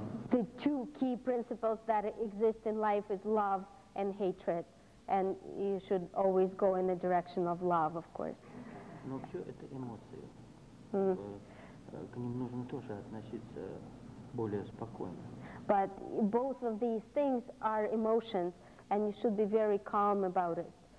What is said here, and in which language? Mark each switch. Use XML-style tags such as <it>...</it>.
<en>The two key principles that exist in life is love and hatred, and you should always go in the direction of love, of course.</en> <ru>Но все это эмоции. К ним нужно тоже относиться более спокойно.</ru> <en>But both of these things are emotions, and you should be very calm about it.</en>